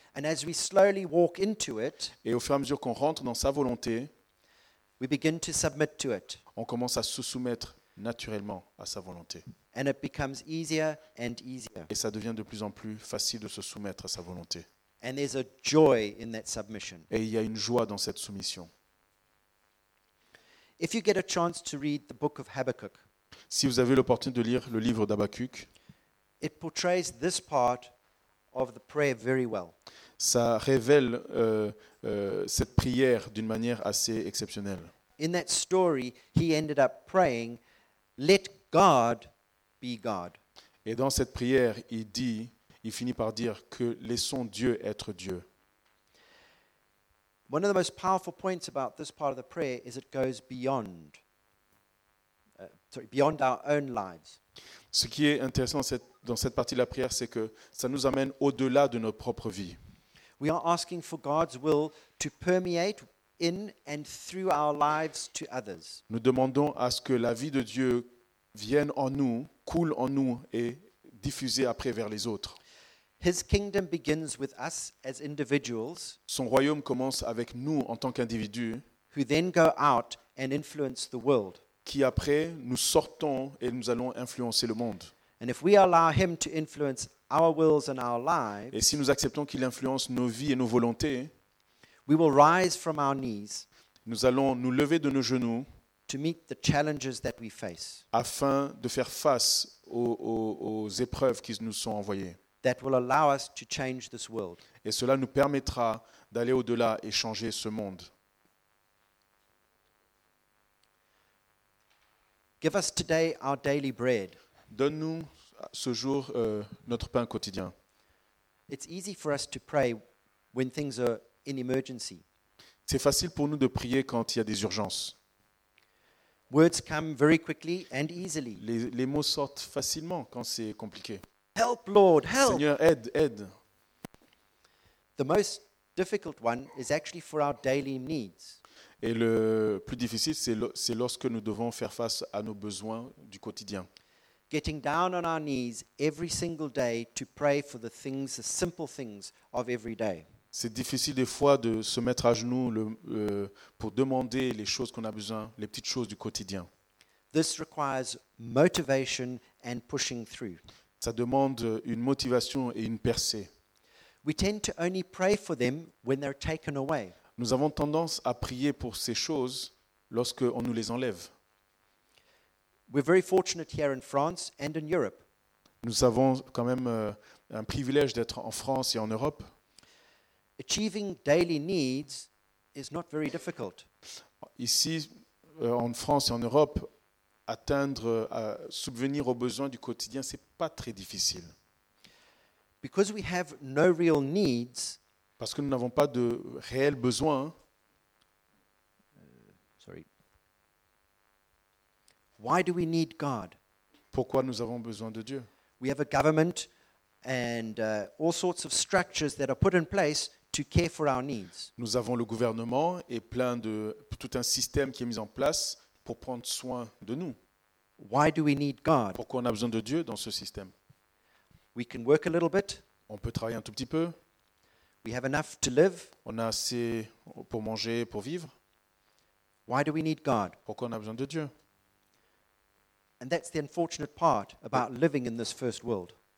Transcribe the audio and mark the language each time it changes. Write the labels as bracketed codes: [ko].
[en] And as we slowly walk into it, [fr] et au fur et à mesure qu'on rentre dans sa volonté, [en] we begin to submit to it. [fr] On commence à se soumettre naturellement à sa volonté. [en] And it becomes easier and easier. [fr] Et ça devient de plus en plus facile de se soumettre à sa volonté. [en] And there's a joy in that submission. [fr] Et il y a une joie dans cette soumission. [en] If you get a chance to read the book of Habakkuk, [fr] si vous avez l'opportunité de lire le livre d'Habakkuk, [en] it portrays this part of the prayer very well. [fr] Ça révèle cette prière d'une manière assez exceptionnelle. [en] In that story, he ended up praying, "Let God be God." [fr] Et dans cette prière, il finit par dire que laissons Dieu être Dieu. [en] One of the most powerful points about this part of the prayer is it goes beyond our own lives. [fr] Ce qui est intéressant dans cette partie de la prière, c'est que ça nous amène au-delà de notre propre vie. [en] We are asking for God's will to permeate in and through our lives to others. [fr] Nous demandons à ce que la vie de Dieu vienne en nous, coule en nous et diffuse après vers les autres. [en] His kingdom begins with us as individuals. [fr] Son royaume commence avec nous en tant qu'individus. [en] Who then go out and influence the world. [fr] Qui après nous sortons et nous allons influencer le monde. [en] And if we allow him to influence our wills and our lives. [fr] Et si nous acceptons qu'il influence nos vies et nos volontés. [en] We will rise from our knees. [fr] Nous allons nous lever de nos genoux. [en] To meet the challenges that we face. [fr] Afin de faire face aux épreuves qui nous sont envoyées. [en] That will allow us to change this world. [fr] Et cela nous permettra d'aller au-delà et changer ce monde. [en] Give us today our daily bread. [fr] Donne-nous ce jour notre pain quotidien. [en] It's easy for us to pray when things are in emergency. [fr] C'est facile pour nous de prier quand il y a des urgences. [en] Words come very quickly and easily. [fr] Les mots sortent facilement quand c'est compliqué. [en] Help, Lord, help. [fr] Seigneur, aide, aide. [en] The most difficult one is actually for our daily needs. [fr] Et le plus difficile, c'est lorsque nous devons faire face à nos besoins du quotidien. [en] Getting down on our knees every single day to pray for the things, the simple things of every day. [fr] C'est difficile des fois de se mettre à genoux pour demander les choses qu'on a besoin, les petites choses du quotidien. [en] This requires motivation and pushing through. [fr] Ça demande une motivation et une percée. [en] We tend to only pray for them when they're taken away. [fr] Nous avons tendance à prier pour ces choses lorsque on nous les enlève. [en] We're very fortunate here in France and in Europe. [fr] Nous avons quand même un privilège d'être en France et en Europe. [en] Achieving daily needs is not very difficult. [fr] Ici, en France et en Europe, atteindre, subvenir aux besoins du quotidien, c'est pas très difficile. [en] Because we have no real needs. [fr] Parce que nous n'avons pas de réels besoins. [en] Why do we need God? [fr] Pourquoi nous avons besoin de Dieu? [en] We have a government and all sorts of structures that are put in place to care for our needs. [fr] Nous avons le gouvernement et plein de tout un système qui est mis en place pour prendre soin de nous. [en] Why do we need God? [fr] Pourquoi on a besoin de Dieu dans ce système? [en] We can work a little bit. [fr] On peut travailler un tout petit peu. [en] We have enough to live. [fr] On a assez pour manger, pour vivre. [en] Why do we need God? [fr] Pourquoi on a besoin de Dieu? [en] And that's the unfortunate part about living in this first world.